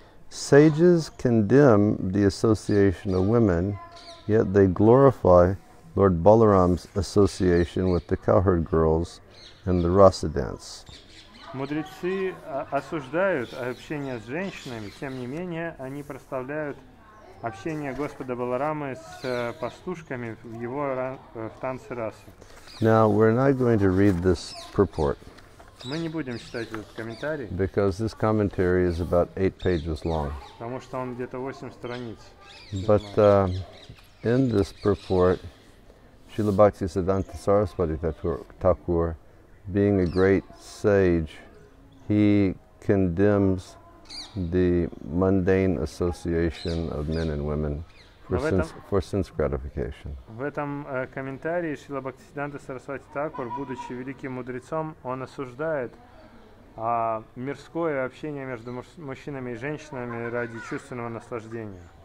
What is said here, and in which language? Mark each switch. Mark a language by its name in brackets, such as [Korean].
[English] Sages condemn the association of women, yet they glorify Lord Balaram's association with the cowherd girls and the rasa dance. [Russian] Мудрецы осуждают общение с женщинами, тем не менее они прославляют общение Господа Баларамы с пастушками в его в танце расы. [English] Now we're not going to read this purport. [Russian] Мы не будем читать этот комментарий. [English] Because this commentary is about 8 pages long. [Russian] Потому что он где-то 8 страниц. [English] But in this purport, Srila Bhaktisiddhanta Saraswati Thakur, being a great sage, he condemns the mundane association of men and women for sense gratification. [Russian] В этом комментарии Шрила Бхактисиддханта Сарасвати Такур, будучи великим мудрецом, он осуждает мирское общение между мужчинами и женщинами ради чувственного наслаждения.